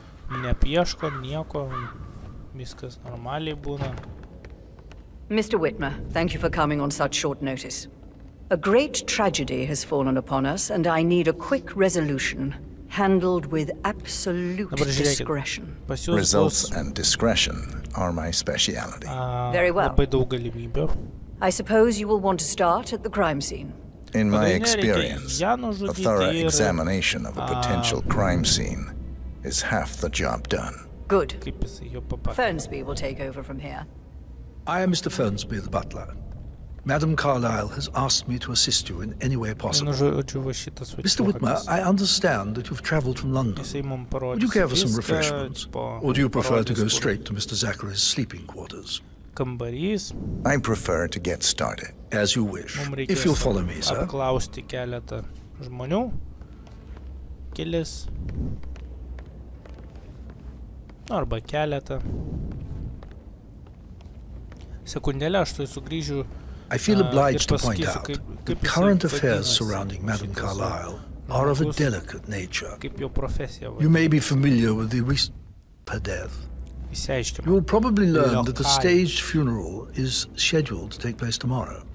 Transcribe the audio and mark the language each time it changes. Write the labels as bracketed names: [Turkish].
[Lithuanian] Nepieško nieko, viskas normaliai būna. [English] Mr. Whitmer, thank you for coming on such short notice. A great tragedy has fallen upon us, and I need a quick resolution, handled with absolute discretion. Results and discretion are my speciality. Very well. [Lithuanian] Labai daug galimybių. [English] I suppose you will want to start at the crime scene. In my experience, a thorough examination of a potential crime scene is half the job done. Good. Fernsby will take over from here. I am Mr. Fernsby, the butler. Madame Carlyle has asked me to assist you in any way possible. Mr. Whitmer, I understand that you've traveled from London. Would you care for some refreshments? Or do you prefer to go straight to Mr. Zachary's sleeping quarters? [Lithuanian] Kambarys. [English] I prefer to get started. As you wish. If you'll follow me, sir. [Lithuanian] Apklausti keletą žmonių. Kelis. Arba keletą. Sekundėlę, aš tai sugrįžiu. [English] I feel obliged to point out that current affairs surrounding Madame Carlyle are of a delicate nature. You may be familiar with the recent death. You will probably learn that the staged funeral is scheduled to take place tomorrow.